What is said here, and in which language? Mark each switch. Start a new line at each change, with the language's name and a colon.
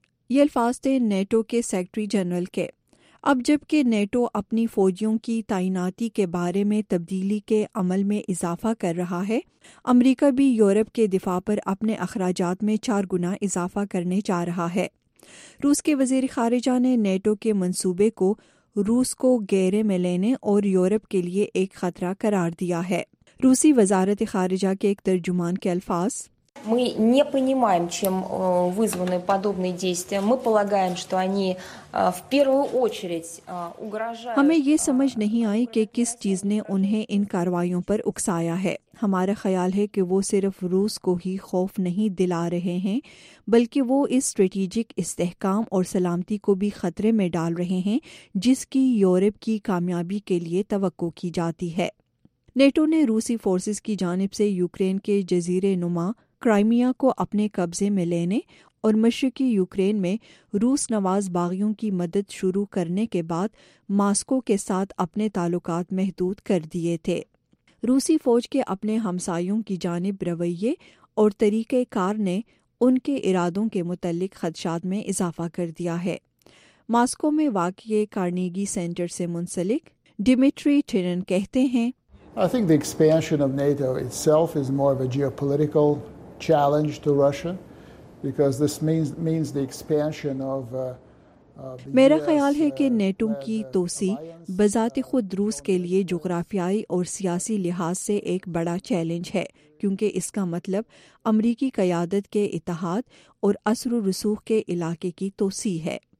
Urdu: یہ الفاظ تھے نیٹو کے سیکرٹری جنرل کے. اب جبکہ نیٹو اپنی فوجیوں کی تعیناتی کے بارے میں تبدیلی کے عمل میں اضافہ کر رہا ہے، امریکہ بھی یورپ کے دفاع پر اپنے اخراجات میں 4 گنا اضافہ کرنے جا رہا ہے. روس کے وزیر خارجہ نے نیٹو کے منصوبے کو روس کو گہرے میں لینے اور یورپ کے لیے ایک خطرہ قرار دیا ہے. روسی وزارت خارجہ کے ایک ترجمان کے الفاظ،
Russian: ми не понимаем, чем вызваны подобные действия. Мы полагаем, что они в первую очередь угрожают.
Urdu: ہمیں یہ سمجھ نہیں آئی کہ کس چیز نے انہیں ان کاروائیوں پر اکسایا ہے. ہمارا خیال ہے کہ وہ صرف روس کو ہی خوف نہیں دلا رہے ہیں، بلکہ وہ اس اسٹریٹیجک استحکام اور سلامتی کو بھی خطرے میں ڈال رہے ہیں جس کی یورپ کی کامیابی کے لیے توقع کی جاتی ہے. نیٹو نے روسی فورسز کی جانب سے یوکرین کے جزیرے نما کرائمیا کو اپنے قبضے میں لینے اور مشرقی یوکرین میں روس نواز باغیوں کی مدد شروع کرنے کے بعد ماسکو کے ساتھ اپنے تعلقات محدود کر دیے تھے. روسی فوج کے اپنے ہمسایوں کی جانب رویے اور طریقہ کار نے ان کے ارادوں کے متعلق خدشات میں اضافہ کر دیا ہے. ماسکو میں واقع کارنیگی سینٹر سے منسلک ڈیمیٹری ٹرن کہتے ہیں,
English: I think the expansion of NATO itself is more of a geopolitical challenge to Russia because this means the expansion of
Urdu: میرا خیال ہے کہ نیٹو کی توسیع بذات خود روس کے لیے جغرافیائی اور سیاسی لحاظ سے ایک بڑا چیلنج ہے, کیونکہ اس کا مطلب امریکی قیادت کے اتحاد اور اثر و رسوخ کے علاقے کی توسیع ہے.